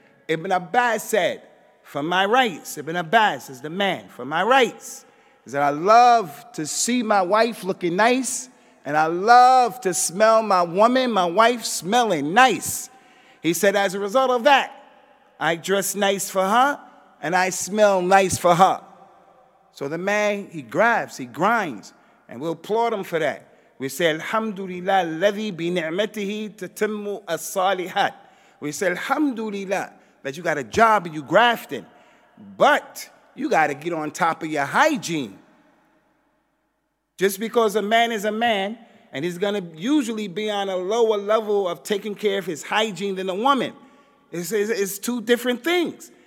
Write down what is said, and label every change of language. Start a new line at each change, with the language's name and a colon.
English: Ibn Abbas said, for my rights, Ibn Abbas is the man, for my rights, is that I love to see my wife looking nice, and I love to smell my woman, my wife, smelling nice. He said, as a result of that, I dress nice for her, and I smell nice for her. So the man, he grabs, he grinds, and we'll applaud him for that. We say,
Arabic: Alhamdulillah, الَّذِي بِنِعْمَتِهِ تَتِمُّ الصَّالِحَاتِ.
English: We say, Alhamdulillah, that you got a job and you grafting, but you got to get on top of your hygiene. Just because a man is a man, and he's going to usually be on a lower level of taking care of his hygiene than a woman, it's two different things.